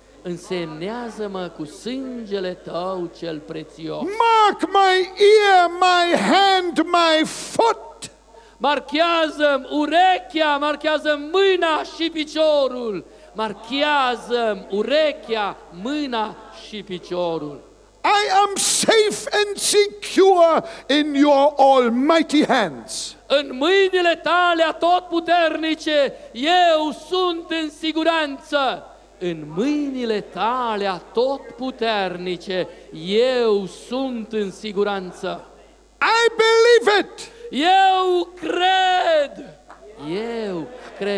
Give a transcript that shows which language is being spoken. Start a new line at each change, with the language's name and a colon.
Romanian: Însemnează-mă cu sângele Tău cel prețios.
English: Mark my ear, my hand, my foot.
Romanian: Marchează-mi urechea, marchează-mi mâna și piciorul. Marchează-mi urechea, mâna și piciorul.
English: I am safe and secure in your almighty hands.
Romanian: În mâinile Tale atotputernice, eu sunt în siguranță. În mâinile Tale atotputernice, eu sunt în siguranță.
English: I believe it.
Romanian: Eu cred. Eu cred.